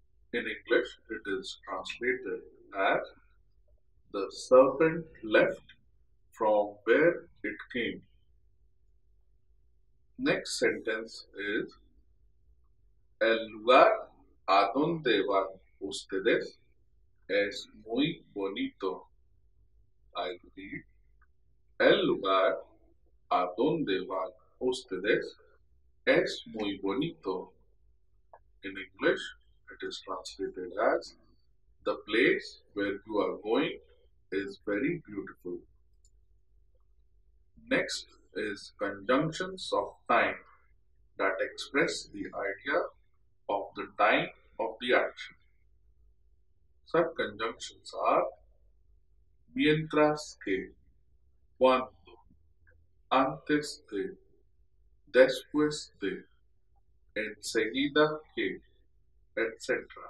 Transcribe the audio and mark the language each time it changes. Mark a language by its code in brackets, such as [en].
[en] In English, it is translated as, the serpent left from where it came. Next sentence is, [es] el lugar a donde van ustedes es muy bonito. [en] I repeat, [es] el lugar a donde van ustedes es muy bonito. [en] In English, it is translated as, the place where you are going is very beautiful. Next is conjunctions of time that express the idea of the time of the action. Such conjunctions are, mientras que, cuando, antes de, después de, enseguida que, etc.